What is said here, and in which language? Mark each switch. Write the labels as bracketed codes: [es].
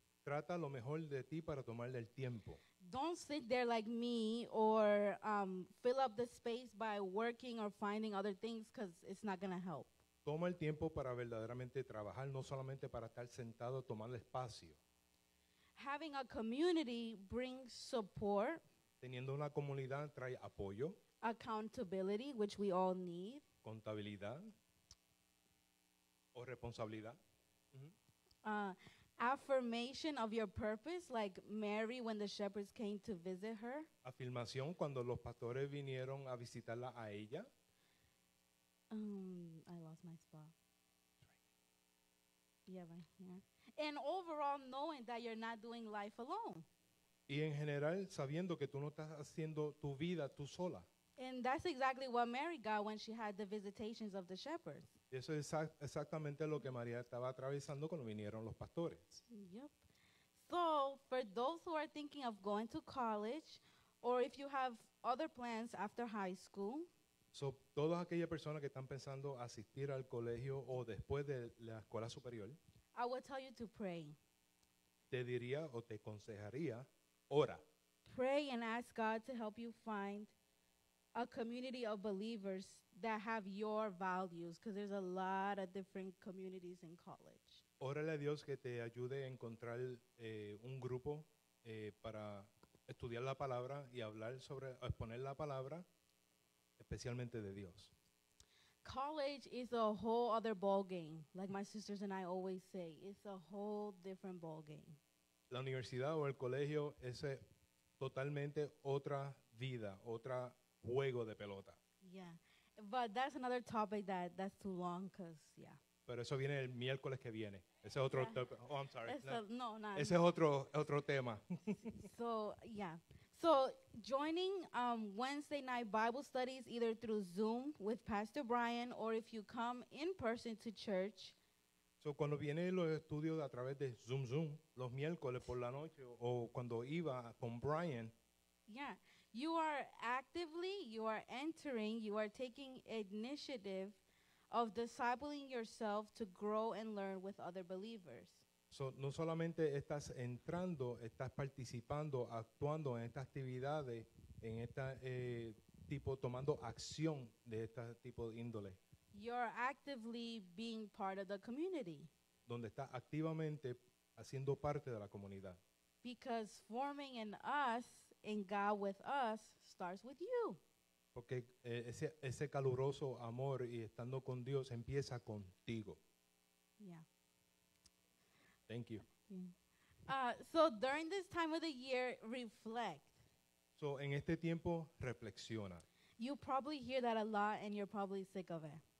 [es] Trata lo mejor de ti para tomarle el tiempo. [en] Don't sit there like me or fill up the space by working or finding other things because it's not going to help. [es] Toma el tiempo para verdaderamente trabajar, no solamente para estar sentado, tomar el espacio. [en] Having a community brings support. [es] Teniendo una comunidad trae apoyo. [en] Accountability, which we all need. [es] Contabilidad o responsabilidad. Mm-hmm. [en] Affirmation of your purpose, like Mary when the shepherds came to visit her. [es] Afirmación cuando los pastores vinieron a visitarla a ella. [en] I lost my spot. Yeah, right here. And overall, knowing that you're not doing life alone. [es] Y en general, sabiendo que tú no estás haciendo tu vida tú sola. [en] And that's exactly what Mary got when she had the visitations of the shepherds. [es] Eso es exactamente lo que María estaba atravesando cuando vinieron los pastores. [en] Yep. So, for those who are thinking of going to college, or if you have other plans after high school. [es] So, todas aquellas personas que están pensando asistir al colegio o después de la escuela superior. [en] I would tell you to pray. [es] Te diría o te aconsejaría, ora. [en] Pray and ask God to help you find a community of believers that have your values, because there's a lot of different communities in college. [es] Órale a Dios que te ayude a encontrar un grupo para estudiar la palabra y hablar sobre, exponer la palabra, especialmente de Dios. [en] College is a whole other ball game, like my sisters and I always say. It's a whole different ball game. [es] La universidad o el colegio es totalmente otra vida, otra juego de pelota. [en] Yeah, but that's another topic that's too long, because, yeah. [es] Pero eso viene el miércoles que viene. Ese es otro, yeah. [en] Oh, I'm sorry. [es] No. Ese es otro tema. [en] So, yeah. So, joining Wednesday night Bible studies, either through Zoom with Pastor Brian, or if you come in person to church. [es] So, cuando vienen los estudios a través de Zoom, los miércoles por la noche, o cuando iba con Brian. [en] Yeah. You are actively, you are entering, you are taking initiative of discipling yourself to grow and learn with other believers. [es] So, no solamente estás entrando, estás participando, actuando en estas actividades, en esta tipo, tomando acción de este tipo de índole. [en] You're actively being part of the community. [es] Donde estás activamente haciendo parte de la comunidad. [en] Because forming in us and God with us starts with you. [es] Porque ese caluroso amor y estando con Dios empieza contigo. [en] Yeah. Thank you. So during this time of the year, reflect. So en este tiempo reflexiona. You probably hear that a lot and you're probably sick of it.